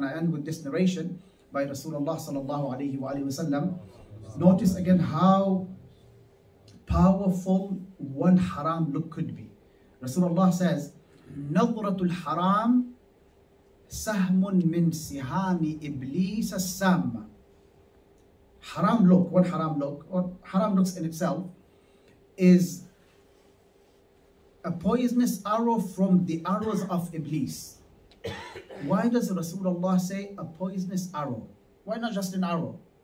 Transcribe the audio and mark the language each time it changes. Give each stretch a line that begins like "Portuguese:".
English: And I end with this narration by Rasulullah sallallahu alayhi wa alayhi wa sallam. Notice again how powerful one haram look could be. Rasulullah says,
Arabic: نَظْرَةُ الْحَرَامِ سَهْمٌ مِنْ سِهَامِ إِبْلِيسَ السَّامَ.
English: Haram look, one haram look, or haram looks in itself, is a poisonous arrow from the arrows of Iblis. Why does Rasulullah say a poisonous arrow? Why not just an arrow?